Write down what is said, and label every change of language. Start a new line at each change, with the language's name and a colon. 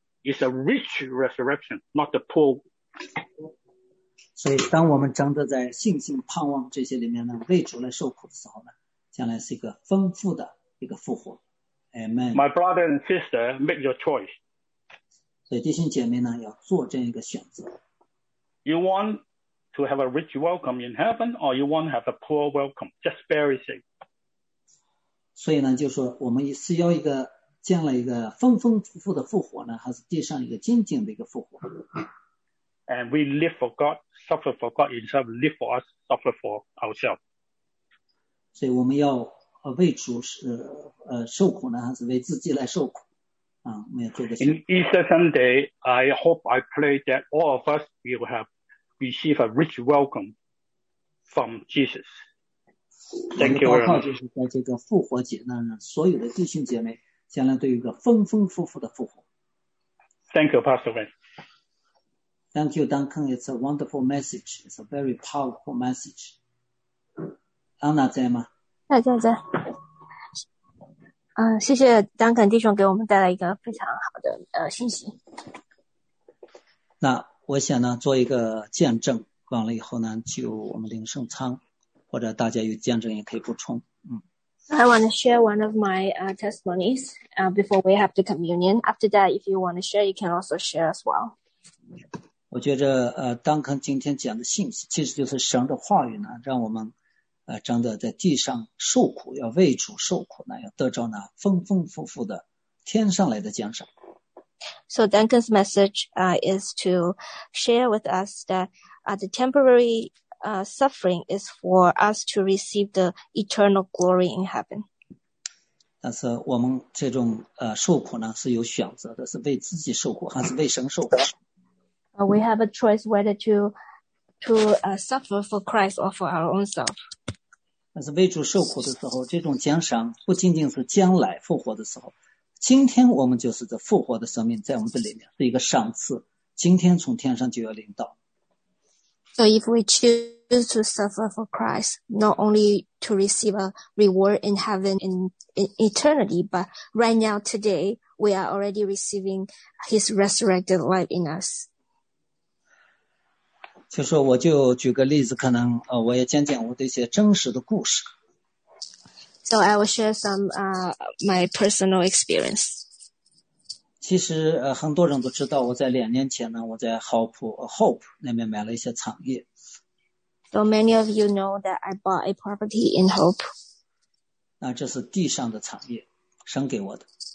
English: It's a rich resurrection, not the poor.
Chinese: 所以当我们真的在信心盼望这些里面呢，为主来受苦的时候呢，将来是一个丰富的一个复活。
English: Amen. My brother and sister, make your choice.
Chinese: 所以弟兄姐妹呢，要做这样一个选择。
English: You want to have a rich welcome in heaven, or you want to have a poor welcome, just very safe.
Chinese: 所以呢，就是说我们是要一个将来一个丰丰富富的复活呢，还是地上一个仅仅的一个复活？
English: And we live for God, suffer for God himself, live for us, suffer for ourselves.
Chinese: 所以我们要为主受苦呢，还是为自己来受苦？我们要做个。
English: In Easter Sunday, I hope I pray that all of us will have received a rich welcome from Jesus. Thank you very much.
Chinese: 我们祷告就是在这个复活节呢，让所有的弟兄姐妹将来都有一个丰丰富富的复活。
English: Thank you, Pastor Wayne. Thank you, Duncan. It's a wonderful message. It's a very powerful message.
Chinese: Anna 在吗？在。谢谢丹肯弟兄给我们带来一个非常好的信息。那我想呢做一个见证，完了以后呢就我们领圣餐，或者大家有见证也可以补充。
English: I want to share one of my testimonies before we have the communion. After that, if you want to share, you can also share as well.
Chinese: 我觉得丹肯今天讲的信息其实就是神的话语呢，让我们真的在地上受苦，要为主受苦呢，要得着那丰丰富富的天上来的奖赏。
English: So Duncan's message is to share with us that the temporary suffering is for us to receive the eternal glory in heaven.
Chinese: 但是我们这种受苦呢是有选择的，是为自己受苦还是为神受苦？
English: We have a choice whether to suffer for Christ or for our own self.
Chinese: 但是为主受苦的时候，这种奖赏不仅仅是将来复活的时候，今天我们就是这复活的生命在我们的里面，是一个赏赐，今天从天上就要领到。
English: So if we choose to suffer for Christ, not only to receive a reward in heaven in eternity, but right now today, we are already receiving his resurrected life in us.
Chinese: 就说我就举个例子，可能我也讲讲我的一些真实的故事。
English: So I will share some my personal experience.
Chinese: 其实很多人都知道，我在两年前呢，我在 Hope 那边买了一些产业。
English: So many of you know that I bought a property in Hope.
Chinese: 那这是地上的产业，神给我的。